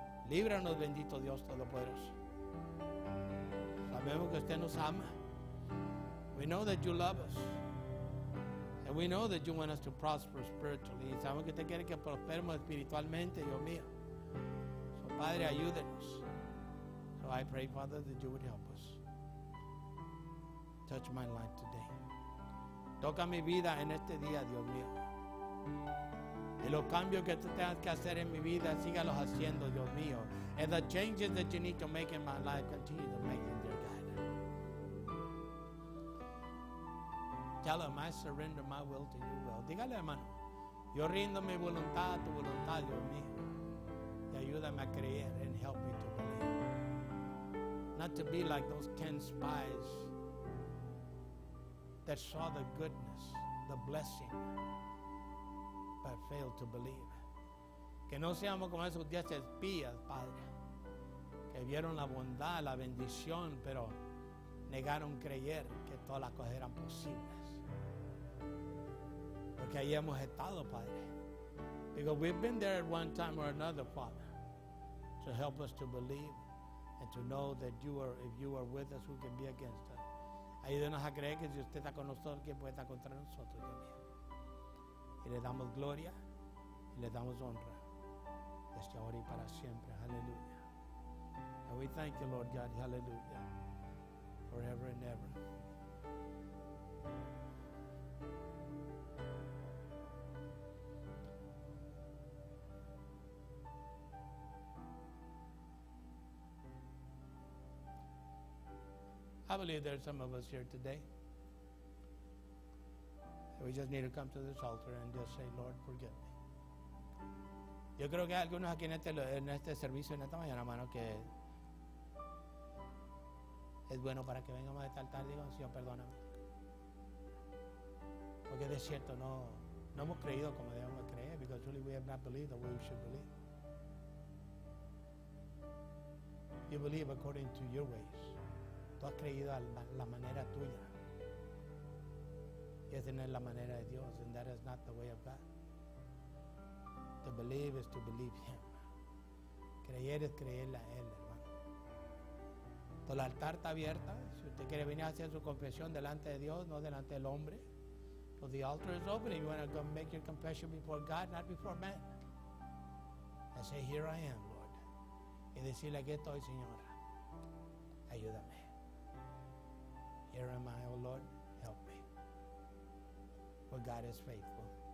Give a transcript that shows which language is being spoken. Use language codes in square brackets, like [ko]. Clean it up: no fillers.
[es] Líbranos, bendito Dios Todopoderoso. Sabemos que usted nos ama. [en] We know that you love us. And we know that you want us to prosper spiritually. [es] Y sabemos que usted quiere que prosperemos espiritualmente, Dios mío. So, Padre, ayúdenos. [en] So I pray, Father, that you would help us. Touch my life today. [es] Toca mi vida en este día, Dios mío. Y los cambios que tú tengas que hacer en mi vida, sígalos haciendo, Dios mío. [en] And the changes that you need to make in my life, continue to make them, dear God. Tell him, I surrender my will to your will. [es] Dígale, hermano, yo rindo mi voluntad a tu voluntad, Dios mío. Y ayúdame a creer [en] and help me to believe. not to be like those 10 spies that saw the goodness, the blessing, but failed to believe. [es] Que no seamos como esos 10 espías, Padre, que vieron la bondad, la bendición, pero negaron creer que todas las cosas eran posibles. Porque ahí hemos estado, Padre. [en] Because we've been there at one time or another, Father, to help us to believe and to know that you are, if you are with us, who can be against us? [es] Ayúdenos a creer que si usted está con nosotros, ¿quién puede estar contra nosotros también? Y le damos gloria y le damos honra desde ahora y para siempre. [en] Aleluya. And we thank you, Lord God. Hallelujah. Forever and ever. I believe there are some of us here today. We just need to come to this altar and just say, Lord, forgive me. [es] Yo creo que hay algunos aquí en este servicio, en esta mañana, hermano, que es bueno para que vengamos a esta altar y digan, Señor, perdóname. Porque de cierto no hemos creído como debemos creer, [en] because really we have not believed the way we should believe. You believe according to your ways. [es] Tú has creído a la manera tuya. Y esa no es la manera de Dios. [en] And that is not the way of God. To believe is to believe Him. [es] Creer es creerle a Él, hermano. Entonces, la altar está abierta. Si usted quiere venir a hacer su confesión delante de Dios, no delante del hombre. [en] So the altar is open. If you want to go make your confession before God, not before man. And say, here I am, Lord. [es] Y decirle, aquí estoy, Señora. Ayúdame. [en] Here am I, O Lord, help me. For God is faithful.